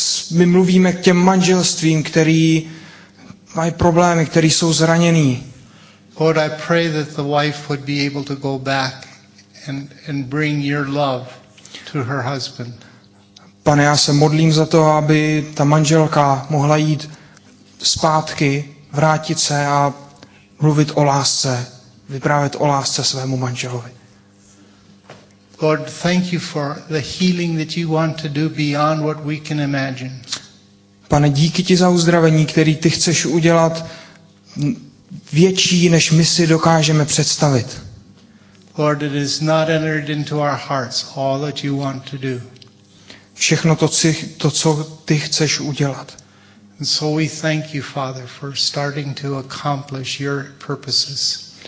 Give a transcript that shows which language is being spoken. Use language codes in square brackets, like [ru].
[cs] My mluvíme k těm manželstvím, který mají problémy, který jsou zraněný. [en] Lord, I pray that the wife would be able to go back and bring your love to her husband. [cs] Pane, já se modlím za to, aby ta manželka mohla jít zpátky, vrátit se a mluvit o lásce, vyprávět o lásce svému manželovi. [en] Lord, thank you for the healing that you want to do beyond what we can imagine. [cs] Pane, díky ti za uzdravení, které ty chceš udělat větší, než my si dokážeme představit. [en] Lord, it is not entered into our hearts all that you want to do. [cs] Všechno to, co ty chceš udělat. [en] And so we thank you, Father, for starting to accomplish your purposes.